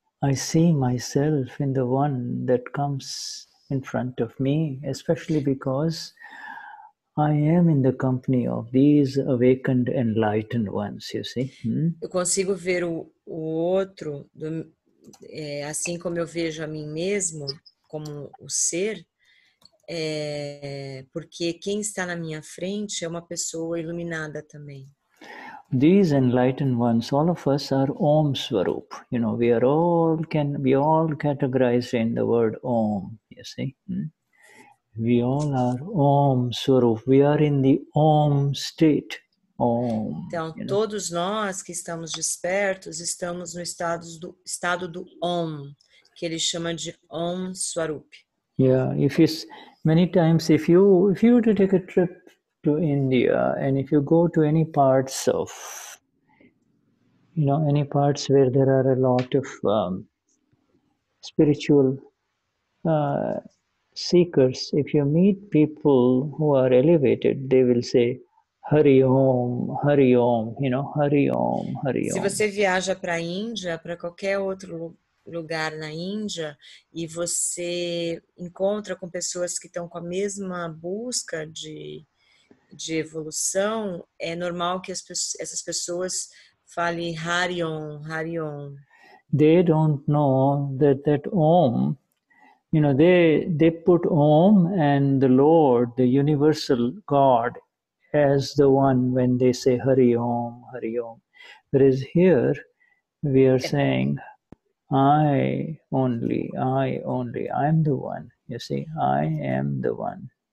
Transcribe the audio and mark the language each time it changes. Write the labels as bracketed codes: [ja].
[en] I see myself in the one that comes in front of me, especially because I am in the company of these awakened, enlightened ones, you see. [pt] Eu consigo ver o outro do, é, assim como eu vejo a mim mesmo, como o ser, é, porque quem está na minha frente é uma pessoa iluminada também. [en] These enlightened ones, all of us are Om Swarupa. You know, we are all can be all categorized in the word Om, you see. We all are Om Swarupa. We are in the Om state. Om. [pt] Então, [en] you know? [pt] Todos nós que estamos despertos estamos no estado do Om, que ele chama de Om Swarupa. [en] Yeah, if you, many times, if you were to take a trip to India, and if you go to any parts of, you know, any parts where there are a lot of spiritual seekers, if you meet people who are elevated, they will say, Hari Om, Hari Om, you know, Hari Om, Hari Om. [pt] Se você viaja para a Índia, para qualquer outro lugar na Índia, e você encontra com pessoas que estão com a mesma busca de evolução, é normal que essas pessoas falem Hari Om, Hari Om. [en] They don't know that Om, you know, they put Om and the Lord, the universal God, as the one when they say Hari Om, Hari Om. Whereas here, we are saying, I only, I'm the one, you see, I am the one.